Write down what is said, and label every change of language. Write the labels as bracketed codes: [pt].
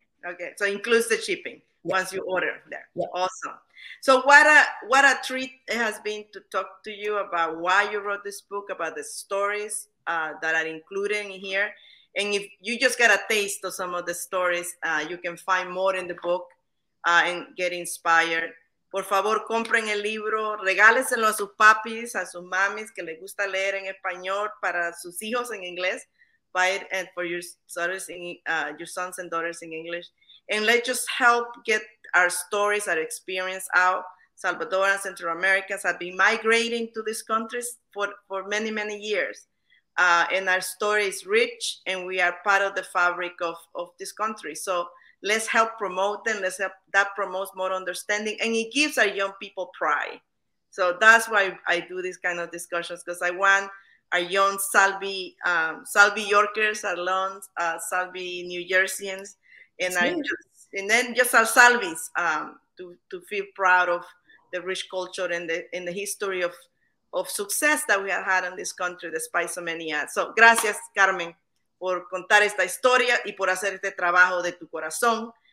[en] Okay, so includes the shipping, yeah. Once you order there. Yeah. Awesome. So what a treat it has been to talk to you about why you wrote this book, about the stories that are included in here. And if you just get a taste of some of the stories, you can find more in the book and get inspired. [es] Por favor, compren el libro, regáleselo a sus papis, a sus mamis, que les gusta leer en español, para sus hijos en inglés. [en] Buy it and for your sons and daughters in English. And let's just help get our stories, our experience out. Salvadorans, Central Americans have been migrating to these countries for many, many years. And our story is rich, and we are part of the fabric of this country. So let's help promote them. Let's help that promotes more understanding, and it gives our young people pride. So that's why I do these kind of discussions, because I want our young Salvi Yorkers, alums, Salvi New Jerseyans, and then just our Salvis to feel proud of the rich culture and the history of success that we have had in this country despite so many ads. [es] So gracias, Carmen, por contar esta historia y por hacer este trabajo de tu corazón.